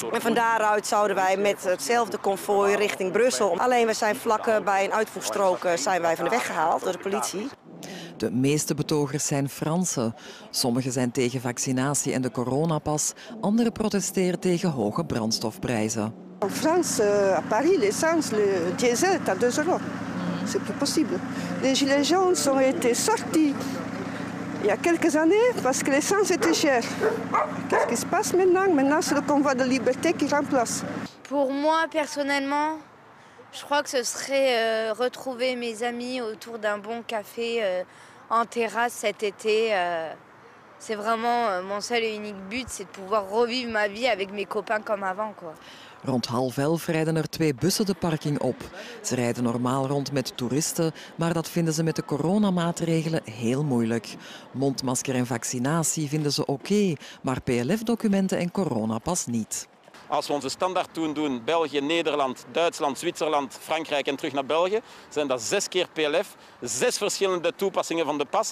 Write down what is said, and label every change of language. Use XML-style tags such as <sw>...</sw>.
<nl>En van daaruit zouden wij met hetzelfde konvooi richting Brussel. Alleen we zijn vlak bij een uitvoerstrook zijn wij van de weg gehaald door de politie. De meeste betogers zijn Fransen. Sommigen zijn tegen vaccinatie en de coronapas. Anderen protesteren tegen hoge brandstofprijzen.</nl> <fr>In France, à Paris, l'essence, le diesel est à 2 euros. C'est plus possible. Les gilets jaunes ont été sortis il y a quelques années parce que l'essence était chère. Qu'est-ce qui se passe maintenant? Maintenant, c'est le convoi de liberté qui remplace. Pour moi, personnellement, je crois que ce serait retrouver mes amis autour d'un bon café en terrasse cet été. C'est vraiment mon seul et unique but, c'est de pouvoir revivre ma vie avec mes copains comme avant, quoi.</fr> <nl>Rond 10:30 rijden er twee bussen de parking op. Ze rijden normaal rond met toeristen, maar dat vinden ze met de coronamaatregelen heel moeilijk. Mondmasker en vaccinatie vinden ze oké, maar PLF-documenten en coronapas niet. Als we onze standaard doen, België, Nederland, Duitsland, Zwitserland, Frankrijk en terug naar België, zijn dat 6 keer PLF, 6 verschillende toepassingen van de pas.</nl>